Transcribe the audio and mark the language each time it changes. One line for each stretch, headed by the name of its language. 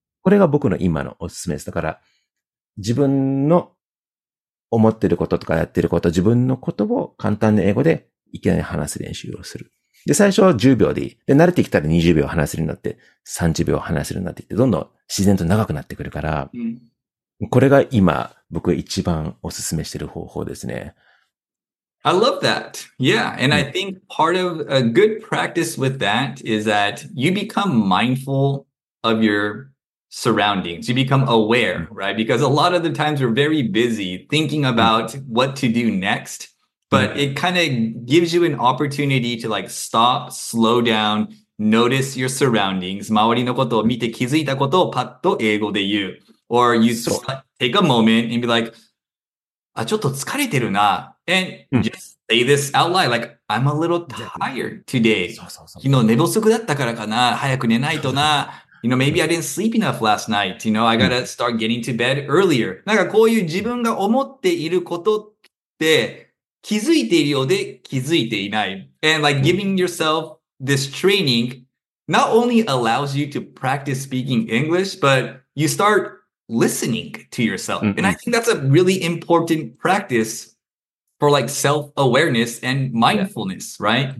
Japanese: これが僕の今のおすすめです。だから、自分の思ってることとかやってること、自分のことを簡単な英語でいきなり話す練習をする。で、最初は10秒でいい。で、慣れてきたら20秒話せるようになって、30秒話せるようになってきて、どんどん自然と長くなってくるから、うん、これが今、僕一番おすすめしてる方法ですね。
English: I love that. Yeah, and I think part of a good practice with that is that you become mindful of your surroundings. You become aware, right? Because a lot of the times we're very busy thinking about what to do next. But it kind of gives you an opportunity to like stop, slow down, notice your surroundings.
Japanese: 周りのことを見て気づいたことをパッと英語で言う。
English: Or you take a moment and be like,
Japanese: あ、ちょっと疲れてるな。
English: And just say this out loud. Like, I'm a little tired today.
Japanese: 昨日寝不足だったからかな。早く寝ないとな。
English: You know, maybe I didn't sleep enough last night. You know, I gotta start getting to bed earlier.
Japanese: なんかこういう自分が思っていることって、気づいているようで気づいていない。
English: And like giving yourself this training not only allows you to practice speaking English, but you start listening to yourself. And I think that's a really important practice for like self-awareness and mindfulness, right?